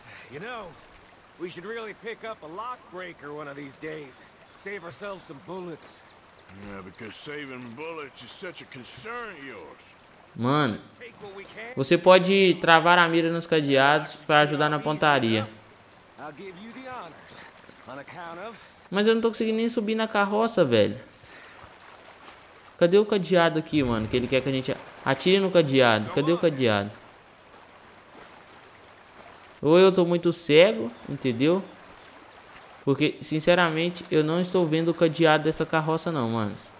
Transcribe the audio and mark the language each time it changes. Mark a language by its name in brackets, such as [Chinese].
[English] You know, we should really pick up a lockbreaker one of these days. Save ourselves some bullets. Yeah, because saving bullets is such a concern of yours. [Portuguese] Mano, você pode travar a mira nos cadeados para ajudar na pontaria. [English] I'll give you the honors, on account of... [Portuguese] Mas eu não tô conseguindo nem subir na carroça, velho. Cadê o cadeado aqui, mano? Que ele quer que a gente atire no cadeado. Cadê o cadeado? Ou eu tô muito cego, entendeu? Porque, sinceramente, eu não estou vendo o cadeado dessa carroça não, mano.